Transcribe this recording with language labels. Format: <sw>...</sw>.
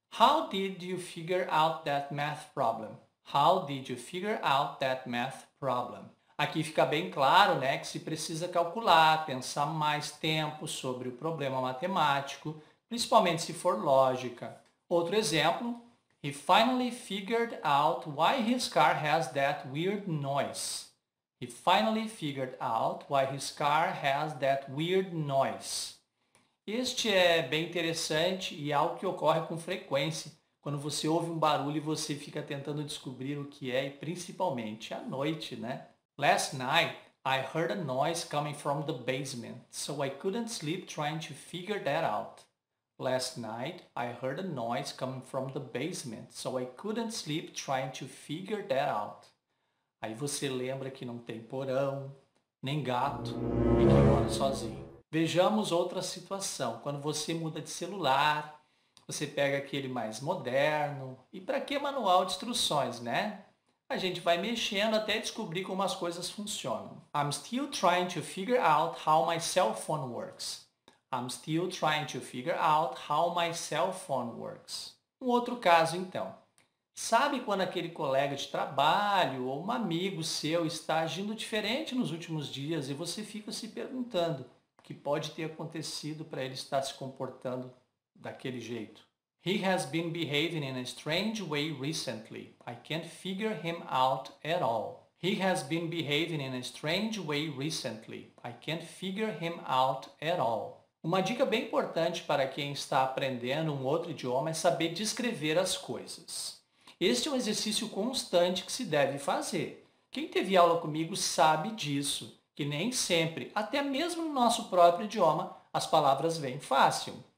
<en>How did you figure out that math problem? How did you figure out that math problem?</en> <pt>Aqui fica bem claro, né, que se precisa calcular, pensar mais tempo sobre o problema matemático, principalmente se for lógica. Outro exemplo,</pt> <en>he finally figured out why his car has that weird noise. He finally figured out why his car has that weird noise.</en> <pt>Este é bem interessante e algo que ocorre com frequência. Quando você ouve um barulho e você fica tentando descobrir o que é, e principalmente à noite, né?</pt> <en>Last night, I heard a noise coming from the basement, so I couldn't sleep trying to figure that out. Last night, I heard a noise coming from the basement, so I couldn't sleep trying to figure that out.</en> <pt>Aí você lembra que não tem porão, nem gato, e que mora sozinho. Vejamos outra situação. Quando você muda de celular, você pega aquele mais moderno. E para que manual de instruções, né? A gente vai mexendo até descobrir como as coisas funcionam.</pt> <en>I'm still trying to figure out how my cell phone works. I'm still trying to figure out how my cell phone works.</en> <pt>Um outro caso, então. Sabe quando aquele colega de trabalho ou um amigo seu está agindo diferente nos últimos dias e você fica se perguntando o que pode ter acontecido para ele estar se comportando daquele jeito.</pt> <en>He has been behaving in a strange way recently. I can't figure him out at all. He has been behaving in a strange way recently. I can't figure him out at all.</en> <pt>Uma dica bem importante para quem está aprendendo um outro idioma é saber descrever as coisas. Este é um exercício constante que se deve fazer. Quem teve aula comigo sabe disso, que nem sempre, até mesmo no nosso próprio idioma, as palavras vêm fácil.</pt>